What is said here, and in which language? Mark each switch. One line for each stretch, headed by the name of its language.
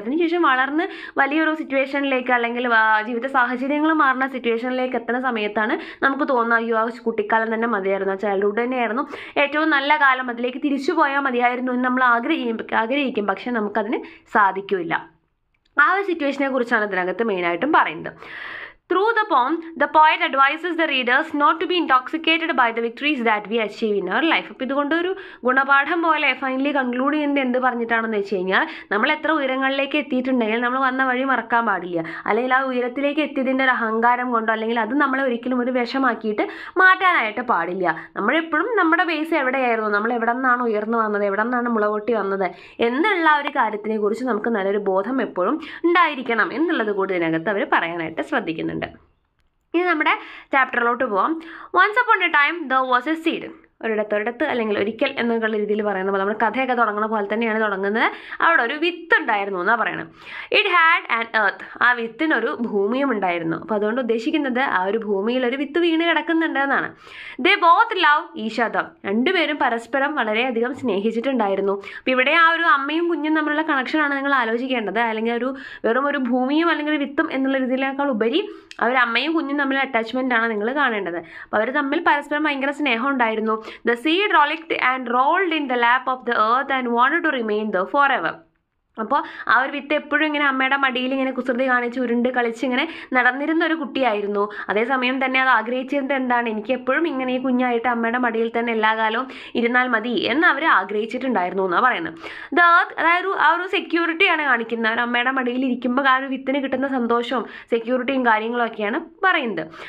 Malayalam: അതിനുശേഷം വളർന്ന് വലിയൊരു സിറ്റുവേഷനിലേക്ക്, അല്ലെങ്കിൽ ജീവിത സാഹചര്യങ്ങൾ മാറുന്ന സിറ്റുവേഷനിലേക്ക് എത്തുന്ന സമയത്താണ് നമുക്ക് തോന്നുക, അയ്യോ ആ കുട്ടിക്കാലം തന്നെ മതിയായിരുന്നു, ആ ചൈൽഡ്ഹുഡ് തന്നെയായിരുന്നു ഏറ്റവും നല്ല കാലം, അതിലേക്ക് തിരിച്ചു പോയാൽ മതിയായിരുന്നു എന്ന് നമ്മൾ ആഗ്രഹിക്കും. പക്ഷേ നമുക്കതിന് സാധിക്കില്ല. ആ ഒരു സിറ്റുവേഷനെ കുറിച്ചാണ് ഇതിനകത്ത് മെയിനായിട്ടും പറയുന്നത്.
English: Through the poem, the poet advises the readers not to be intoxicated by the victories that we achieve in our life.
Malayalam: ഇപ്പോൾ ഇതുകൊണ്ട് ഒരു ഗുണപാഠം പോലെ ഫൈനലി കൺക്ലൂഡ് ചെയ്യുന്നത് എന്ത് പറഞ്ഞിട്ടാണെന്ന് വെച്ച് കഴിഞ്ഞാൽ, നമ്മൾ എത്ര ഉയരങ്ങളിലേക്ക് എത്തിയിട്ടുണ്ടെങ്കിൽ നമ്മൾ വന്ന വഴി മറക്കാൻ പാടില്ല, അല്ലെങ്കിൽ ആ ഉയരത്തിലേക്ക് എത്തിയതിൻ്റെ ഒരു അഹങ്കാരം കൊണ്ടോ, അല്ലെങ്കിൽ അത് നമ്മളെ ഒരിക്കലും ഒരു വിഷമാക്കിയിട്ട് മാറ്റാനായിട്ട് പാടില്ല. നമ്മളെപ്പോഴും നമ്മുടെ ബേസ് എവിടെയായിരുന്നു, നമ്മൾ എവിടെ നിന്നാണ് ഉയർന്നു വന്നത്, എവിടെ നിന്നാണ് മുളകൊട്ടി വന്നത് എന്നുള്ള ഒരു കാര്യത്തിനെ കുറിച്ച് നമുക്ക് നല്ലൊരു ബോധം എപ്പോഴും ഉണ്ടായിരിക്കണം എന്നുള്ളത് കൂടി ഇതിനകത്ത് അവർ പറയാനായിട്ട് ശ്രദ്ധിക്കുന്നുണ്ട്. ഇനി നമ്മുടെ ചാപ്റ്ററിലോട്ട് പോവാം.
English: Once upon a time the was a seed.
Malayalam: ഒരിടത്തൊരിടത്ത്, അല്ലെങ്കിൽ ഒരിക്കൽ എന്നുള്ള രീതിയിൽ പറയുന്നത് പോലെ നമ്മുടെ കഥയൊക്കെ തുടങ്ങുന്ന പോലെ തന്നെയാണ് തുടങ്ങുന്നത്. അവിടെ ഒരു വിത്ത് ഉണ്ടായിരുന്നു എന്നാണ് പറയുന്നത്.
English: It had an earth.
Malayalam: ആ വിത്തിനൊരു ഭൂമിയും ഉണ്ടായിരുന്നു. അപ്പോൾ അതുകൊണ്ട് ഉദ്ദേശിക്കുന്നത് ആ ഒരു ഭൂമിയിൽ ഒരു വിത്ത് വീണ് കിടക്കുന്നുണ്ട് എന്നാണ്.
English: The both love each other.
Malayalam: രണ്ടുപേരും പരസ്പരം വളരെയധികം സ്നേഹിച്ചിട്ടുണ്ടായിരുന്നു. അപ്പോൾ ഇവിടെ ആ ഒരു അമ്മയും കുഞ്ഞും തമ്മിലുള്ള കണക്ഷനാണ് നിങ്ങൾ ആലോചിക്കേണ്ടത്, അല്ലെങ്കിൽ ഒരു വെറും ഒരു ഭൂമിയും അല്ലെങ്കിൽ ഒരു വിത്തും എന്നുള്ള രീതിയിലേക്കാൾ ഉപരി ആ ഒരു അമ്മയും കുഞ്ഞും തമ്മിലുള്ള അറ്റാച്ച്മെൻറ്റാണ് നിങ്ങൾ കാണേണ്ടത്. അപ്പോൾ അവർ തമ്മിൽ പരസ്പരം ഭയങ്കര സ്നേഹം ഉണ്ടായിരുന്നു.
English: The seed rollicked and rolled in the lap of the earth and wanted to remain there forever.
Malayalam: അപ്പോൾ ആ ഒരു വിത്ത് എപ്പോഴും ഇങ്ങനെ അമ്മയുടെ മടിയിൽ ഇങ്ങനെ കുസൃതി കാണിച്ച് ഉരുണ്ട് കളിച്ച് ഇങ്ങനെ നടന്നിരുന്ന ഒരു കുട്ടിയായിരുന്നു. അതേസമയം തന്നെ അത് ആഗ്രഹിച്ചത് എന്താണ്, എനിക്ക് എപ്പോഴും ഇങ്ങനെ ഈ കുഞ്ഞായിട്ട് അമ്മയുടെ മടിയിൽ തന്നെ എല്ലാ കാലവും ഇരുന്നാൽ മതി എന്ന് അവർ ആഗ്രഹിച്ചിട്ടുണ്ടായിരുന്നു എന്നാണ് പറയുന്നത്. അതായത് ആ ഒരു സെക്യൂരിറ്റിയാണ് കാണിക്കുന്നത്, അവർ അമ്മയുടെ മടിയിൽ ഇരിക്കുമ്പോൾ ആ ഒരു വിത്തിന് കിട്ടുന്ന സന്തോഷവും സെക്യൂരിറ്റിയും കാര്യങ്ങളും ഒക്കെയാണ് പറയുന്നത്.